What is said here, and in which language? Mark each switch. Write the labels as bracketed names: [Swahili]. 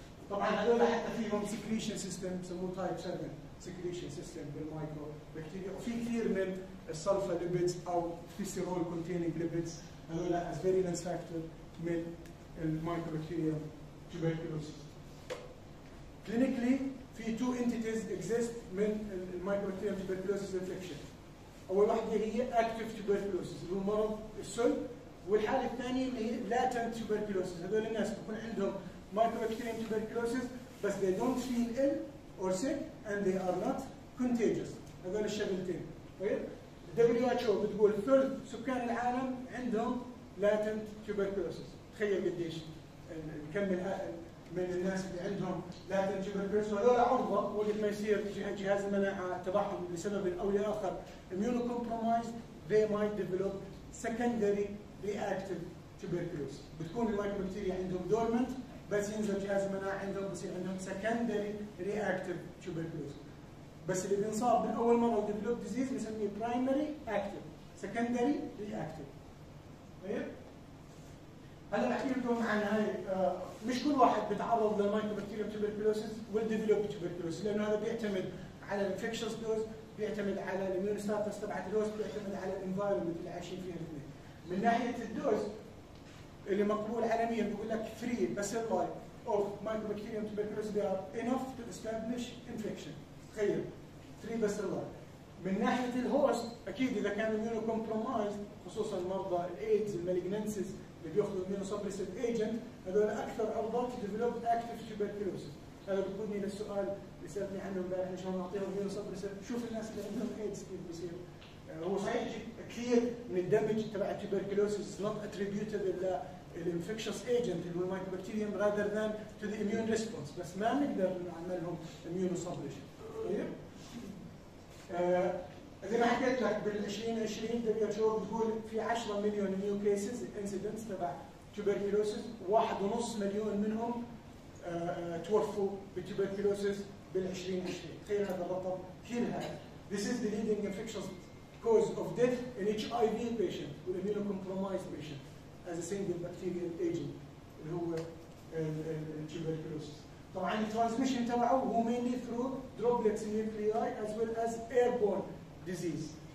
[Arabic] طبعا هذول حتى فيهم سكريشن سيستم بسموه تايب 7 سكريشن سيستم بالمايكرو بكتيريا، وفي كثير من السلفا ليبيدز او فيسيرول كونتيننج ليبيدز هذول از فيرينس فاكتور من المايكرو بكتيريا تبركلوسيس. كلينيكلي في تو انتيتيز اكزيست من المايكروبيوم تبركلوسيس انفكشن. اول واحده هي اكتيف تبركلوسيس اللي هو مرض السل، والحاله الثانيه اللي هي لاتنت تبركلوسيس. هذول الناس بكون عندهم مايكروبيوم تبركلوسيس بس [English] they don't feel ill or sick and they are not contagious. [Arabic] هذول الشغلتين. طيب دبليو اتش او بتقول ثلث سكان العالم عندهم لاتنت تبركلوسيس. تخيل قديش الكم الهائل من الناس اللي عندهم لاتنت تبركلوسيس. هذول عرضه ولما يصير جهاز المناعه تبعهم لسبب او لاخر اميونو كومبرومايز [English] they might develop secondary reactive tuberculosis. [Arabic] بتكون المايكروبكتيريا عندهم دورمنت بس ينزل جهاز المناعة عندهم بصير عندهم secondary reactive tuberculosis. بس اللي بينصاب من أول مرة [English] develop disease [Arabic] بنسميه primary active secondary reactive. طيب هلا بحكي لكم عن هاي. مش كل واحد بتعرض للمايكروبكتيريا tuberculosis [English] will develop tuberculosis، [Arabic] لأنه هذا بيعتمد على infectious dose، بيعتمد على immune status تبع الدوز، بيعتمد على environment اللي عايشين فيها الاثنين. من ناحية الدوز اللي مقبول عالميا بيقول لك [English] free bacilli of mycobacterium tuberculosis they are enough to establish infection. [Arabic] تخيل free bacilli. من ناحية الهوست أكيد إذا كان immuno compromised خصوصا مرضى الايدز الماليجنانسيز اللي بيأخذوا immuno suppressive agent هذول أكثر عرضة [English] to develop active tuberculosis. [Arabic] هذا بيقودني للسؤال اللي سألتني عنه امبارح، ليش ما نعطيهم immuno suppressive؟ شوف الناس اللي عندهم ايدز كيف بيصير. هو صحيح كثير من الدمج تبع التوبركلوسيس [English] not attributable [Arabic] للانفكشوس ايجنت اللي هو المايكوبكتيريوم [English] rather than to the immune response، [Arabic] بس ما نقدر نعملهم immune suppression. طيب زي ما حكيت لك بال 2020 دبليو اتش او بتقول في 10 مليون نيو كيسز انسيدنس تبع التوبركلوسيس، 1.5 مليون منهم توفوا بالتوبركلوسيس بال 2020. تخيل هذا الرقم كثير هائل. [English] This is the leading infectious cause of death in HIV patient with immunocompromised patient as a single bacterial agent [Arabic] اللي هو التوبركلوسيس. طبعا الترانسميشن تبعه هو [English] mainly through droplets in nuclei as well as airborne disease.